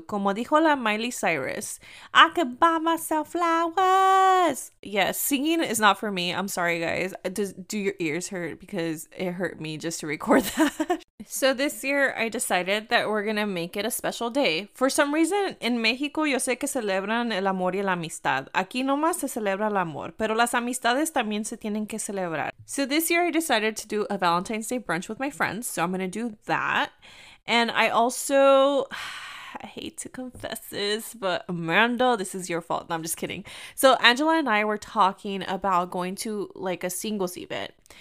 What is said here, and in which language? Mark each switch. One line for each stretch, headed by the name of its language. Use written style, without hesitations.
Spanish: Como dijo la
English: Miley Cyrus, I could buy myself flowers. Yes, singing is not for me. I'm sorry, guys. Do your ears hurt? Because it hurt me just to record that. So this year, I decided that we're going to make it a special day. For some reason, in Mexico,
Spanish: yo sé que celebran el amor y la amistad. Aquí nomás se celebra el amor, pero las amistades también se tienen que celebrar.
English: So this year, I decided to do a Valentine's Day brunch with my friends, so I'm going to do that. And I also, I hate to confess this, but Amanda, this is your fault. No, I'm just kidding. So Angela and I were talking about going to like a singles event.